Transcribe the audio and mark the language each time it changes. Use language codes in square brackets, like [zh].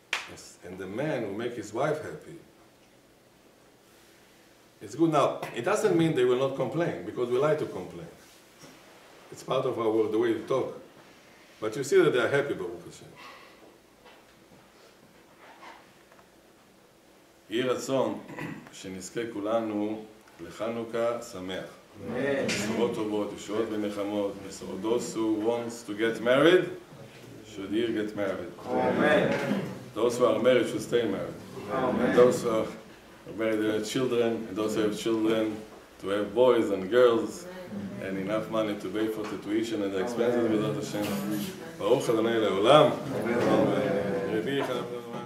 [en] Yes. And the man who make his wife happy, it's good. Now, it doesn't mean they will not complain, because we like to complain. It's part of our the way we talk. But you see that they are happy, Baruch Hashem. [he] יהי רצון שנזכה כולנו לחנוכה שמח. בשורות טובות, ישועות ונחמות. [en] Those who want to get married, should here get married. Amen. Those who are married, should stay married. Amen. And those who are married, they have children, and those who have children, to have boys and girls, and enough money to pay for the tuition and the expenses, without a shame. [he] Baruch Adonai Leolam. [en] Amen.